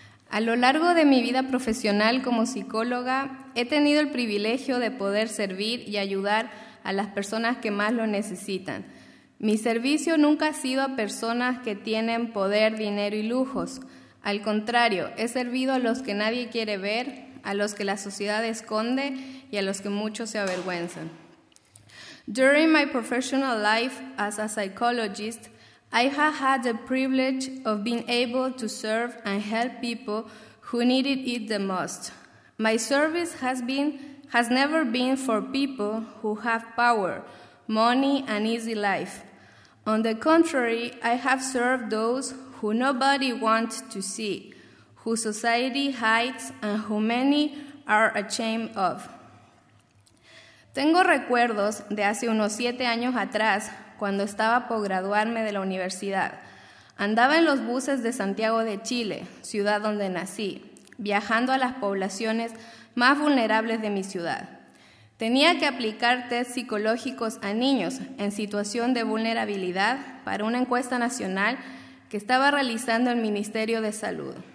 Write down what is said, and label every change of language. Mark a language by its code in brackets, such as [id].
[es] A lo largo de mi vida profesional como psicóloga, he tenido el privilegio de poder servir y ayudar a las personas que más lo necesitan. Mi servicio nunca ha sido a personas que tienen poder, dinero y lujos. Al contrario, he servido a los que nadie quiere ver, a los que la sociedad esconde y a los que muchos se avergüenzan. [en] During my professional life as a psychologist, I have had the privilege of being able to serve and help people who needed it the most. My service has never been for people who have power, money, and easy life. On the contrary, I have served those who nobody wants to see, who society hides, and who many are ashamed of. [es] Tengo recuerdos de hace unos 7 años atrás, cuando estaba por graduarme de la universidad. Andaba en los buses de Santiago de Chile, ciudad donde nací, viajando a las poblaciones más vulnerables de mi ciudad. Tenía que aplicar test psicológicos a niños en situación de vulnerabilidad para una encuesta nacional que estaba realizando el Ministerio de Salud.